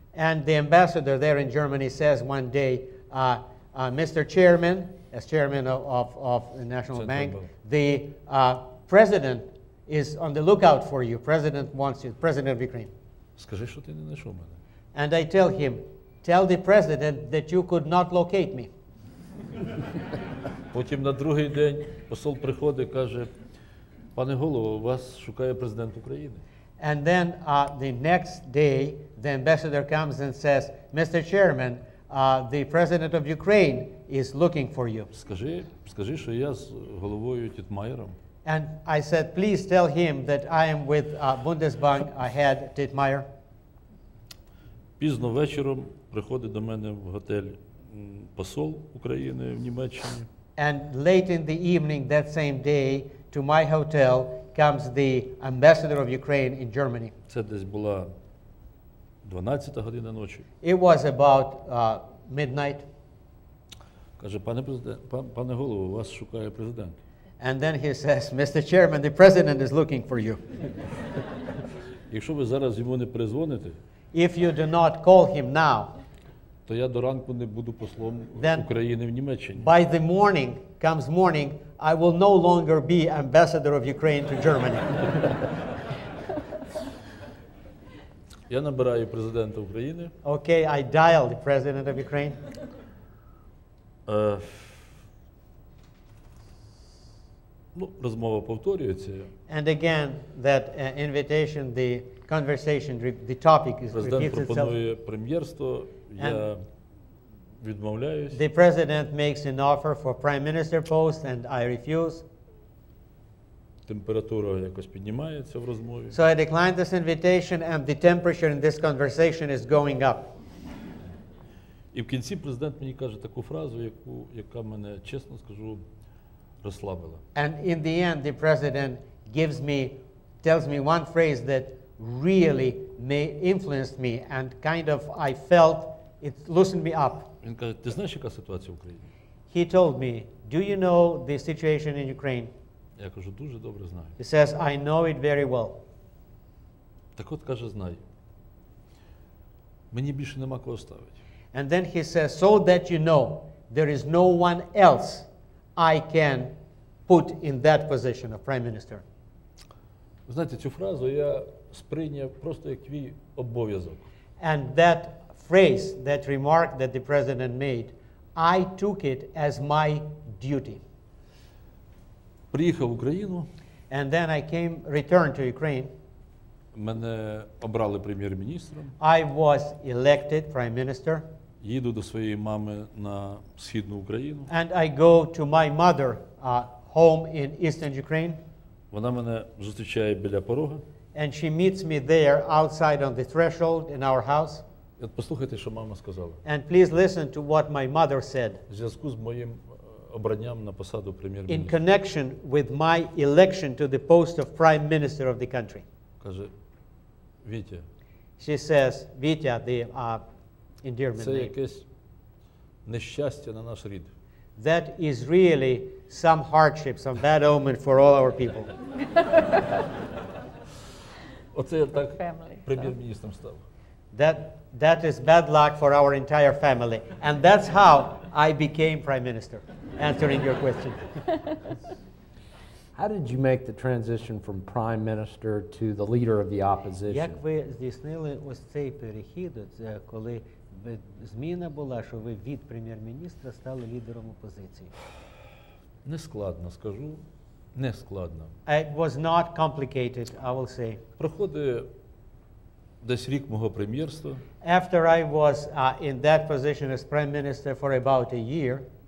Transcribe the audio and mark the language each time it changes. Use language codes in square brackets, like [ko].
[en] And the ambassador there in Germany says one day, Mr. Chairman, as chairman of the National Bank, the president is on the lookout for you. President wants you, president of Ukraine. [uk] Скажи, що ти не знайшов мене. [en] And I tell him, tell the president that you could not locate me. [uk] Потім на другий день посол приходить, каже, пане голово, вас шукає президент України. [en] And then the next day, the ambassador comes and says, Mr. Chairman, the president of Ukraine is looking for you. [uk] Скажи, що я з головою Тітмайером. [en] And I said, please tell him that I am with Bundesbank head Тітмайер. [uk] Пізно вечором приходить до мене в готель посол України в Німеччині. [en] And late in the evening that same day to my hotel comes the ambassador of Ukraine in Germany. [uk] Це десь була 12-та година ночі. [en] It was about midnight. [uk] Каже, пане голово, вас шукає президент. [en] And then he says, Mr. Chairman, the president is looking for you. [uk] Якщо ви зараз йому не призвоните, [en] if you do not call him now, [uk] то я до ранку не буду послом України в Німеччині. [en] By the morning, comes morning, I will no longer be ambassador of Ukraine to Germany. [uk] Я набираю президента України. [en] Okay, I dial the president of Ukraine. [uk] Ну, розмова повторюється. [en] And again, that invitation, the conversation, the topic is repeats itself. [uk] Президент пропонує прем'єрство, я відмовляюсь. [en] The president makes an offer for prime minister post and I refuse. [uk] Температура якось піднімається в розмові. [en] So I declined this invitation and the temperature in this conversation is going up. [uk] І в кінці президент мені каже таку фразу, яка мене, чесно скажу, розслабила. [en] And in the end the president tells me one phrase that really influenced me and kind of I felt it loosened me up. [uk] Він каже, ти знаєш, яка ситуація в Україні? [en] He told me, do you know the situation in Ukraine? [uk] Я кажу, дуже добре знаю. [en] He says, I know it very well. [uk] Так от, каже, знаю. Мені більше нема кого ставити. [en] And then he says, so that you know, there is no one else I can put in that position of prime minister. [uk] Знаєте, цю фразу я сприйняв просто як твій обов'язок. [en] And that phrase, that remark that the president made, I took it as my duty. [uk] Приїхав в Україну. [en] And then I came, returned to Ukraine. [uk] Мене обрали прем'єр-міністром. [en] I was elected prime minister. [uk] Їду до своєї мами на Східну Україну. [en] And I go to my mother home in Eastern Ukraine. [uk] Вона мене зустрічає біля порога. [en] And she meets me there outside on the threshold in our house. [uk] От послухайте, що мама сказала. [en] And please listen to what my mother said. [uk] В зв'язку з моїм обранням на посаду прем'єр-міністра. [en] In connection with my election to the post of prime minister of the country. [uk] Каже, Вітя. [en] She says, Вітя, the endearment [uk] name. Це якесь нещастя на наш рід. [en] That is really some hardship, some bad omen for all our people. [uk] Оце я так прем'єр-міністром став. [en] That is bad luck for our entire family. And that's how I became prime minister, answering your question. How did you make the transition from prime minister to the leader of the opposition? [uk] Як ви здійснили ось цей перехід, коли зміна була, що ви від прем'єр-міністра стали лідером опозиції? Нескладно, скажу. Нескладно. [en] It was not complicated, I will say. [uk] Проходить десь рік мого прем'єрства. [en] After I was in that position as prime minister for about a year,